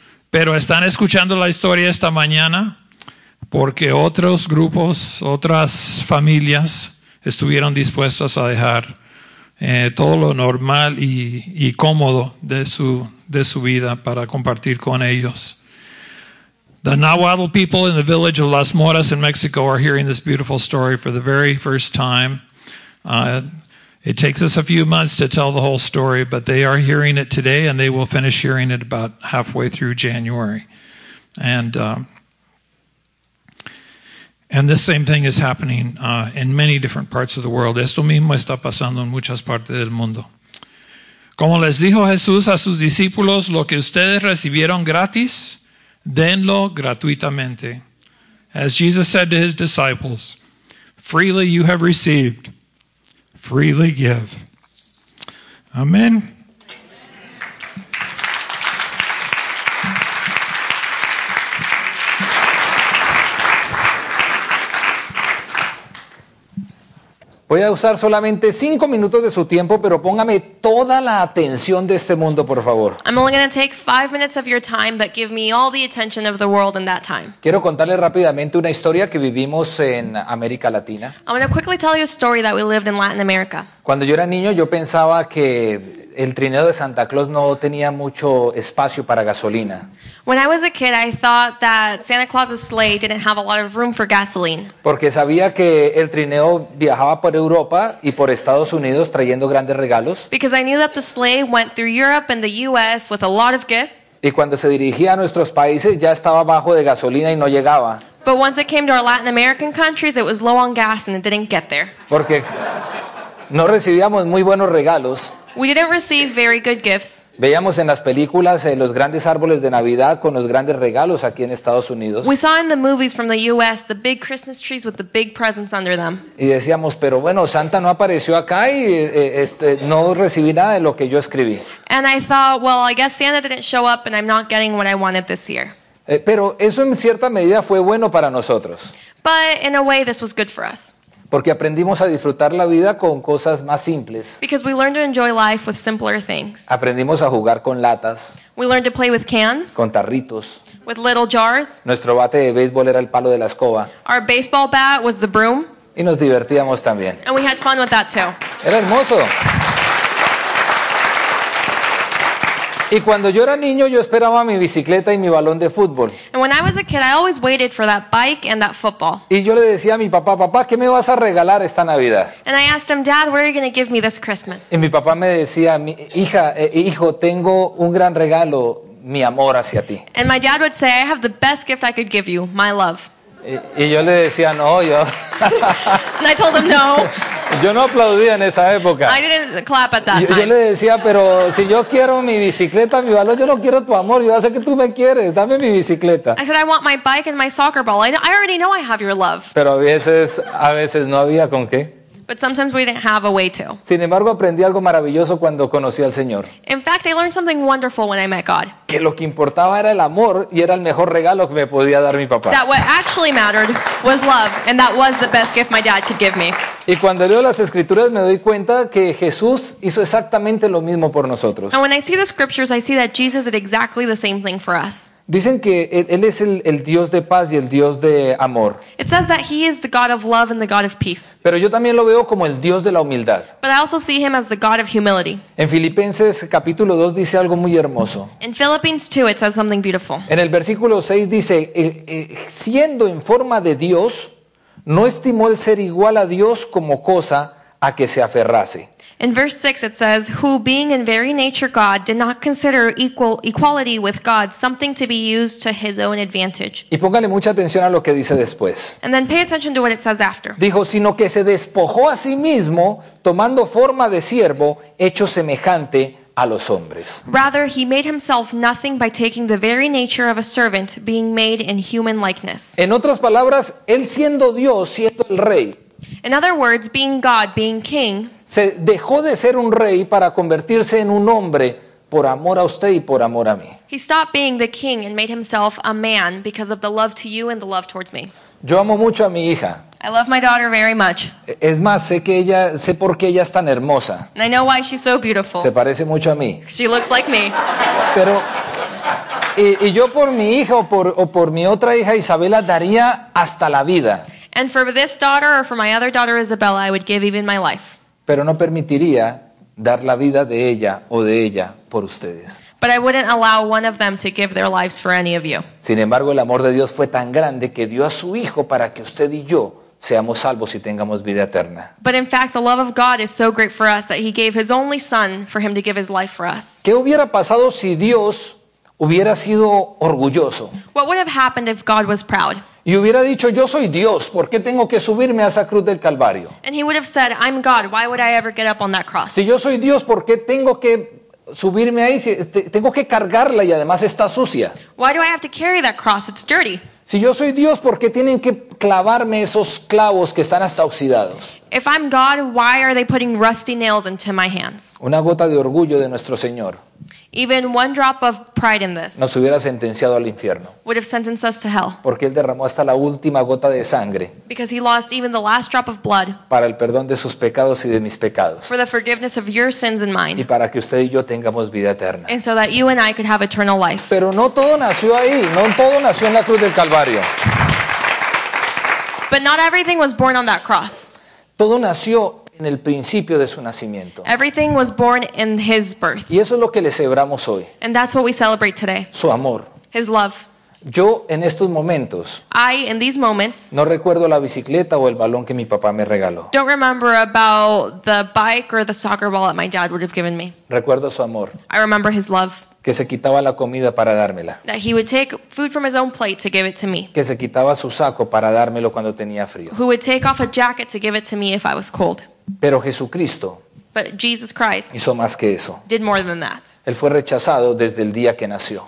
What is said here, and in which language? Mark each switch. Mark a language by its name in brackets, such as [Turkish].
[Spanish] Pero están escuchando la historia esta mañana porque otros grupos, otras familias estuvieron dispuestas a dejar todo lo normal y cómodo de su vida para compartir con ellos. [English] The Nahuatl people in the village of Las Moras in Mexico are hearing this beautiful story for the very first time. It takes us a few months to tell the whole story, but they are hearing it today, and they will finish hearing it about halfway through January. And this same thing is happening in many different parts of the world. [Spanish] Esto mismo está pasando en muchas partes del mundo. Como les dijo Jesús a sus discípulos, lo que ustedes recibieron gratis, denlo gratuitamente. [English] As Jesus said to his disciples, freely you have received, freely give. Amen. [Spanish] Voy a usar solamente 5 minutos de su tiempo, pero póngame toda la atención de este mundo, por favor. [English] I'm only going to take 5 minutes of your time, but give me all the attention of the world in that time. [Spanish] Quiero contarle rápidamente una historia que vivimos en América Latina. [English] I want to quickly tell you a story that we lived in Latin America. [Spanish] Cuando yo era niño, yo pensaba que el trineo de Santa Claus no tenía mucho espacio para gasolina. [English] When I was a kid, I thought that Santa Claus's sleigh didn't have a lot of room for gasoline. [Spanish] Porque sabía que el trineo viajaba por Europa y por Estados Unidos trayendo grandes regalos. [English] Because I knew that the sleigh went through Europe and the US with a lot of gifts. [Spanish] Y cuando se dirigía a nuestros países ya estaba bajo de gasolina y no llegaba. [English] But once it came to our Latin American countries, it was low on gas and it didn't get there. [Spanish] Porque no recibíamos muy buenos regalos. [English] We didn't receive very good gifts. [Spanish] Veíamos en las películas los grandes árboles de Navidad con los grandes regalos aquí en Estados Unidos. [English] We saw in the movies from the US the big Christmas trees with the big presents under them. [Spanish] Y decíamos, pero bueno, Santa no apareció acá y no recibí nada de lo que yo escribí. [English] And I thought, well, I guess Santa didn't show up and I'm not getting what I wanted this year. [Spanish] Pero eso en cierta medida fue bueno para nosotros. [English] But in a way this was good for us. [Spanish] Porque aprendimos a disfrutar la vida con cosas más simples. [English] Because we learned to enjoy life with simpler things. [Spanish] Aprendimos a jugar con latas. [English] We learned to play with cans. [Spanish] Con tarritos. [English] With little jars. [Spanish] Nuestro bate de béisbol era el palo de la escoba. [English] Our baseball bat was the broom. [Spanish] Y nos divertíamos también. [English] And we had fun with that too. [Spanish] Era hermoso. Y cuando yo era niño, yo esperaba mi bicicleta y mi balón de fútbol. [English] And when I was a kid, I always waited for that bike and that football. [Spanish] Y yo le decía a mi papá, papá, ¿qué me vas a regalar esta Navidad? [English] And I asked him, Dad, what are you going to give me this Christmas? [Spanish] Y mi papá me decía, hija, hijo, tengo un gran regalo, mi amor hacia ti. [English] And my dad would say, I have the best gift I could give you, my love. [Spanish] Y yo le decía, no, yo. [English] And I told him, no. [Spanish] Yo no aplaudía en esa época. [English] I didn't clap at that time. [Spanish] Yo le decía, pero si yo quiero mi bicicleta, mi balón, yo no quiero tu amor. Yo sé que tú me quieres. Dame mi bicicleta. [English] I said, I want my bike and my soccer ball. I already know I have your love. [Spanish] Pero a veces no había con qué. [English] But sometimes we didn't have a way to. [Spanish] Sin embargo, aprendí algo maravilloso cuando conocí al Señor. [English] In fact, I learned something wonderful when I met God. [Spanish] Que lo que importaba era el amor y era el mejor regalo que me podía dar mi papá. [English] That what actually mattered was love, and that was the best gift my dad could give me. [Spanish] Y cuando leo las escrituras me doy cuenta que Jesús hizo exactamente lo mismo por nosotros. [English] And when I see the scriptures, I see that Jesus did exactly the same thing for us. [Spanish] Dicen que él es el Dios de paz y el Dios de amor. [English] It says that he is the God of love and the God of peace. [Spanish] Pero yo también lo veo como el Dios de la humildad. [English] But I also see him as the God of humility. [Spanish] En Filipenses capítulo 2 dice algo muy hermoso. [English] In Philippians 2 it says something beautiful. [Spanish] En el versículo 6 dice, siendo en forma de Dios, no estimó el ser igual a Dios como cosa a que se aferrase. [English] In verse 6 it says, who being in very nature God, did not consider equality with God something to be used to his own advantage. [Spanish] Y póngale mucha atención a lo que dice después. [English] And then pay attention to what it says after. [Spanish] Dijo, sino que se despojó a sí mismo, tomando forma de siervo, hecho semejante a los hombres. [English] Rather, he made himself nothing by taking the very nature of a servant, being made in human likeness. [Spanish] En otras palabras, él siendo Dios, siendo el rey. [English] In other words, being God, being king. [Spanish] Se dejó de ser un rey para convertirse en un hombre por amor a usted y por amor a mí. [English] He stopped being the king and made himself a man because of the love to you and the love towards me. [Spanish] Yo amo mucho a mi hija. [English] I love my daughter very much. [Spanish] Es más, sé por qué ella es tan hermosa. [English] And I know why she's so beautiful. [Spanish] Se parece mucho a mí. [English] She looks like me. [Spanish] Pero y yo por mi hija o por mi otra hija Isabela daría hasta la vida. [English] And for this daughter or for my other daughter Isabella, I would give even my life. [Spanish] Pero no permitiría dar la vida de ella o de ella por ustedes. [English] But I wouldn't allow one of them to give their lives for any of you. [Spanish] Sin embargo, el amor de Dios fue tan grande que dio a su hijo para que usted y yo seamos salvos y tengamos vida eterna. [English] But in fact, the love of God is so great for us that he gave his only son for him to give his life for us. [Spanish] ¿Qué hubiera pasado si Dios hubiera sido orgulloso? [English] What would have happened if God was proud? [Spanish] Y hubiera dicho, yo soy Dios, ¿por qué tengo que subirme a esa cruz del Calvario? [English] And he would have said, I'm God, why would I ever get up on that cross? [Spanish] Si yo soy Dios, ¿por qué tengo que subirme ahí? Tengo que cargarla y además está sucia. [English] Why do I have to carry that cross? It's dirty. [Spanish] Si yo soy Dios, ¿por qué tienen que clavarme esos clavos que están hasta oxidados? [English] If I'm God, why are they putting rusty nails into my hands? [Spanish] Una gota de orgullo de nuestro Señor. [English] Even one drop of pride in this. [Spanish] Nos hubiera sentenciado al infierno. [English] Would have sentenced us to hell. [Spanish] Porque él derramó hasta la última gota de sangre. [English] Because he lost even the last drop of blood. [Spanish] Para el perdón de sus pecados y de mis pecados. [English] For the forgiveness of your sins and mine. [Spanish] Y para que usted y yo tengamos vida eterna. [English] And so that you and I could have eternal life. [Spanish] Pero no todo nació ahí. No todo nació en la cruz del Calvario. [English] But not everything was born on that cross. [Spanish] Todo nació en el principio de su nacimiento. [English] Everything was born in his birth. [Spanish] Y eso es lo que le celebramos hoy. [English] And that's what we celebrate today. [Spanish] Su amor. [English] His love. [Spanish] Yo en estos momentos [English] in these moments, [Spanish] no recuerdo la bicicleta o el balón que mi papá me regaló. [English] Don't remember about the bike or the soccer ball that my dad would have given me. [Spanish] Recuerdo su amor. [English] I remember his love. [Spanish] Que se quitaba la comida para dármela. [English] That he would take food from his own plate to give it to me. [Spanish] Que se quitaba su saco para dármelo cuando tenía frío. [English] Who would take off a jacket to give it to me if I was cold. [Spanish] Pero Jesucristo. [English] But Jesus Christ [Spanish] hizo más que eso. [English] Did more than that. [Spanish] Él fue rechazado desde el día que nació.